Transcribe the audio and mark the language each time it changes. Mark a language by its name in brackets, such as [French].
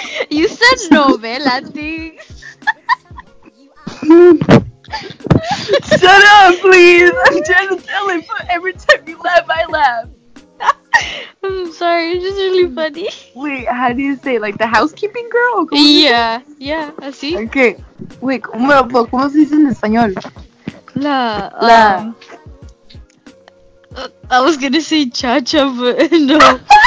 [English] you said novela thing. Shut up, please. I'm trying to tell it, but every time you laugh, I laugh. I'm sorry, it's just really funny. Wait, how do you say, like, the housekeeping girl? Yeah, I see. Okay, wait, [Spanish] bueno, pero ¿cómo se dice en español? La. [English] I was gonna say cha cha, but no.